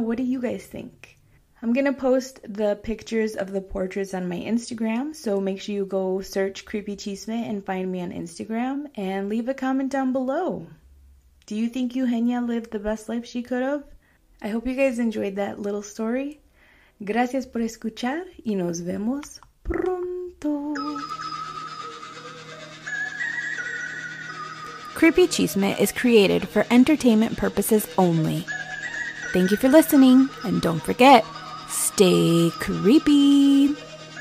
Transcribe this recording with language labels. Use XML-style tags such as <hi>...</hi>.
<en>What do you guys think? I'm gonna post the pictures of the portraits on my Instagram. So make sure you go search Creepy Chisme and find me on Instagram and leave a comment down below. Do you think Eugenia lived the best life she could have? I hope you guys enjoyed that little story.</en> <es>Gracias por escuchar y nos vemos pronto.</es> <en>Creepy Chisme is created for entertainment purposes only. Thank you for listening, and don't forget, stay creepy!</en>